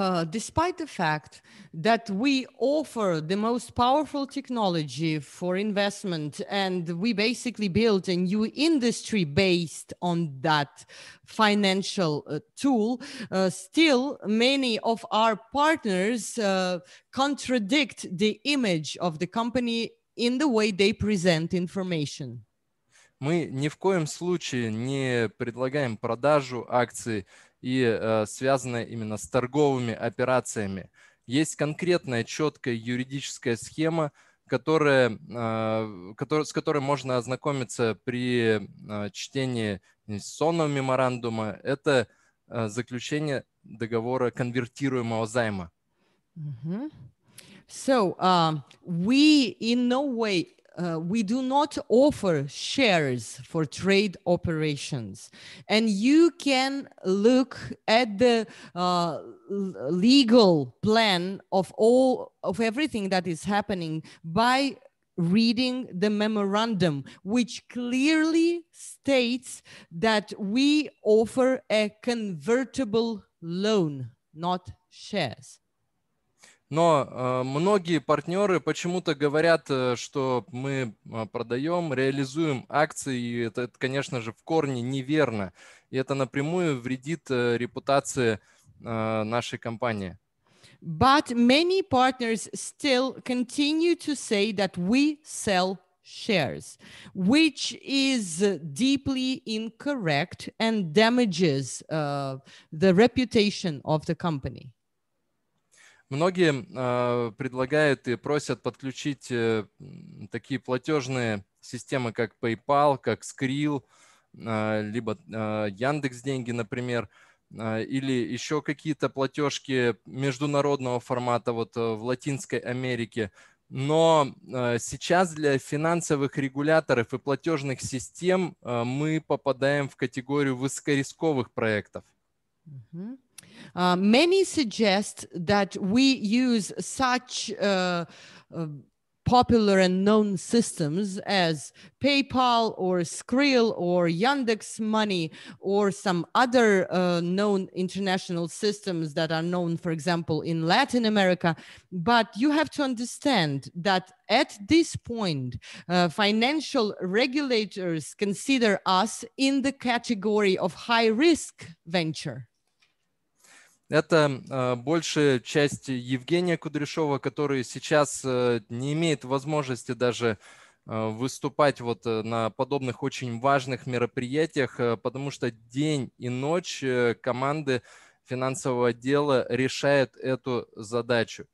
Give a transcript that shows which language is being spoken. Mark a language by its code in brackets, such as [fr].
[en] Despite the fact that we offer the most powerful technology for investment and we basically built a new industry based on that financial tool, still many of our partners contradict the image of the company in the way they present information. [ru] Мы ни в коем случае не предлагаем продажу акций и связанное именно с торговыми операциями. Есть конкретная, четкая юридическая схема, с которой можно ознакомиться при чтении инвестиционного меморандума. Это заключение договора конвертируемого займа. [en] Mm-hmm. So, we in no way... we do not offer shares for trade operations. And you can look at the legal plan of everything that is happening by reading the memorandum, which clearly states that we offer a convertible loan, not shares. [ru] Но многие партнеры почему-то говорят, что мы продаем, реализуем акции, и это, конечно же, в корне неверно. И это напрямую вредит репутации нашей компании. [en] But many partners still continue to say that we sell shares, which is deeply incorrect and damages the reputation of the company. [ru] Многие предлагают и просят подключить такие платежные системы, как PayPal, как Skrill, либо Яндекс.Деньги, например, или еще какие-то платежки международного формата вот в Латинской Америке. Но сейчас для финансовых регуляторов и платежных систем мы попадаем в категорию высокорисковых проектов. [en] Mm-hmm. Many suggest that we use such popular and known systems as PayPal or Skrill or Yandex Money or some other known international systems that are known, for example, in Latin America. But you have to understand that at this point, financial regulators consider us in the category of high-risk venture. [ru] Это большая часть Евгения Кудряшова, который сейчас не имеет возможности даже выступать вот на подобных очень важных мероприятиях, потому что день и ночь команды финансового отдела решают эту задачу.